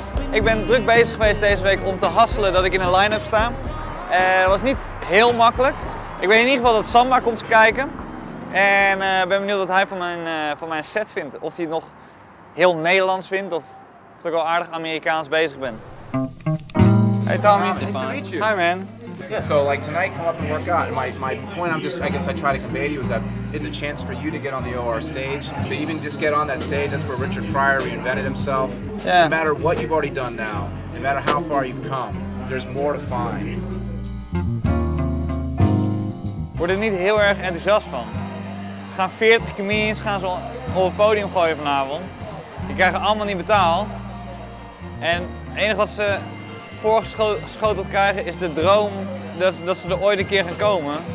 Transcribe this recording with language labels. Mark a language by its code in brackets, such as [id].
[nl] Ik ben druk bezig geweest deze week om te hasselen dat ik in een line-up sta. Het was niet heel makkelijk. Ik weet in ieder geval dat Samba komt kijken. En ik ben benieuwd wat hij van mijn set vindt. Of hij het nog heel Nederlands vindt of dat ik wel aardig Amerikaans bezig ben. [en] Hey Tommy. Nice to meet you. Hi man. Yeah, so like tonight come up and work out. My point I try to convey to you is that it's a chance for you to get on the OR stage. To even just get on that stage, that's where Richard Pryor reinvented himself. Yeah. No matter what you've already done now, no matter how far you've come, there's more to find. [nl] Word er niet heel erg enthousiast van. We gaan 40 comedians gaan ze op het podium gooien vanavond. Die krijgen allemaal niet betaald. En het enige wat ze voorgeschoteld krijgen is de droom dat ze er ooit een keer gaan komen.